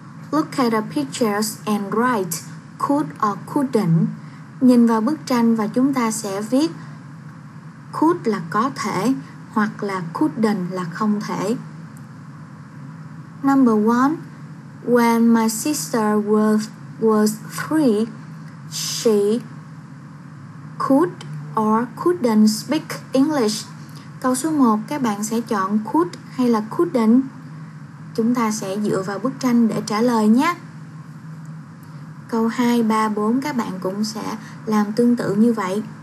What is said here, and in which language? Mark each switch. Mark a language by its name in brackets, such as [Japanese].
[English] Look at the pictures and write could or couldn't. [Vietnamese] Nhìn vào bức tranh và chúng ta sẽ viết could là có thể hoặc là couldn't là không thể. [English] Number 1. When my sister was 3, she could or couldn't speak English. [Vietnamese] Câu số 1 các bạn sẽ chọn could hay là couldn't? Chúng ta sẽ dựa vào bức tranh để trả lời nhé. Câu 2, 3, 4 các bạn cũng sẽ làm tương tự như vậy.